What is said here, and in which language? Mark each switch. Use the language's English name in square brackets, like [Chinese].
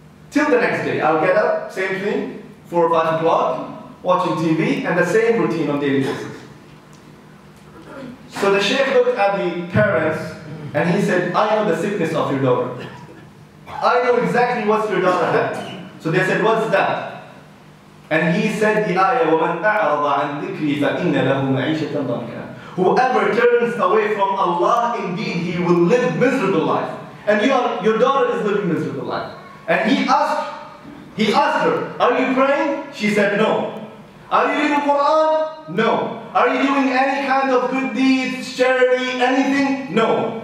[English] Till the next day, I'll get up, same thing, 4 or 5 o'clock, watching TV, and the same routine on daily basis. So the sheikh looked at the parents and he said, I know the sickness of your daughter. I know exactly what your daughter had. So they said, what's that? And he said the ayah, [Arabic] وَمَنْ أَعْرَضَ عَنْ ذِكْرِي فَإِنَّ لَهُ مَعِيشَةً ضَنْكًا. [English] Whoever turns away from Allah, indeed he will live miserable life. And your daughter is living miserable life. And he asked her, are you praying? She said, no. Are you reading Quran? No. Are you doing any kind of good deeds, charity, anything? No.